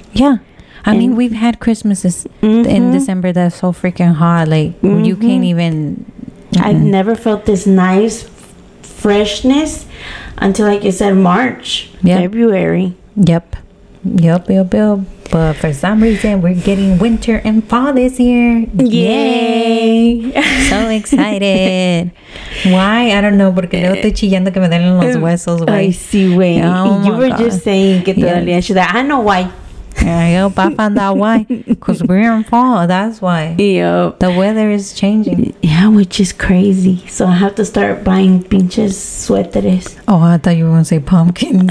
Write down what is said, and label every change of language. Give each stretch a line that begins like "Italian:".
English: Yeah, I mean, we've had Christmases mm-hmm in December that's so freaking hot, like mm-hmm you can't even mm-hmm. I've never felt this nice freshness until, like you said, March. Yep. February. Yep. But for some reason, we're getting winter and fall this year. Yay! So excited. Why? I don't know.
Spanish: Porque yo estoy chillando que me duelen los huesos.
English: I see, wey. Oh, you were God just saying
Spanish: que te dolía.
English: Yeah. I know why. Yep, I found out why. Because we're in fall. That's why. Yep. The weather is changing. Yeah, which is crazy. So I have to start buying
Spanish: pinches suéteres.
English: Oh, I thought you were going to say pumpkins.